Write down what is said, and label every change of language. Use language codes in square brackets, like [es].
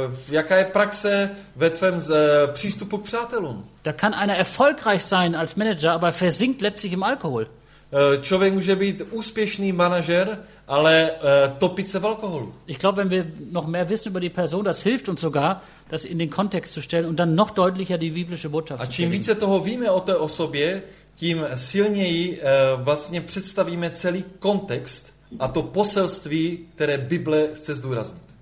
[cs] Jaká je praxe ve tvém přístupu k přátelům? [de] Da kann einer erfolgreich sein als Manager, aber versinkt letztlich im Alkohol. [cs] Člověk může být úspěšný manažer, ale topit se v alkoholu. [de] Ich glaube, wenn wir noch mehr wissen über die Person, das hilft uns sogar, das in den Kontext zu stellen und dann noch deutlicher die biblische Botschaft zu bringen. [cs] A čím více toho víme o té osobě, tím silněji vlastně představíme celý kontext a to poselství, které Bible chce zdůraznit.